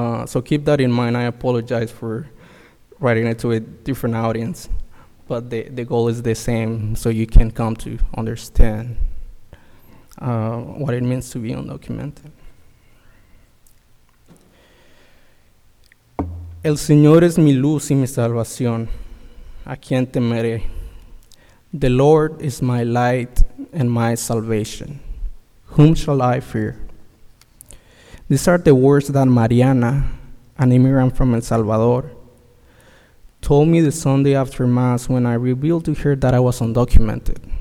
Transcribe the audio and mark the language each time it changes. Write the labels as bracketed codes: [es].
[en] So keep that in mind. I apologize for writing it to a different audience, but the goal is the same, so you can come to understand what it means to be undocumented. [es] El Señor es mi luz y mi salvación, a quien temeré. [en] The Lord is my light and my salvation, whom shall I fear? These are the words that Mariana, an immigrant from El Salvador, told me the Sunday after Mass when I revealed to her that I was undocumented.